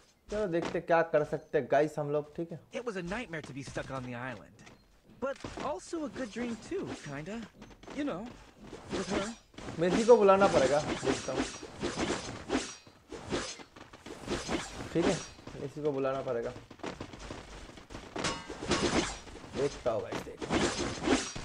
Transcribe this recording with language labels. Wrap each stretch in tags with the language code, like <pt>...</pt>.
<hi>चलो देखते क्या कर सकते हैं गाइस हम लोग ठीक है।</hi> <en>It was a nightmare to be stuck on the island, but also a good dream too, kinda, you know, with her.</en> <hi>मेथी को बुलाना पड़ेगा, देखता हूँ ठीक है, मेथी को बुलाना पड़ेगा, देखता हूँ भाई देखता।</hi>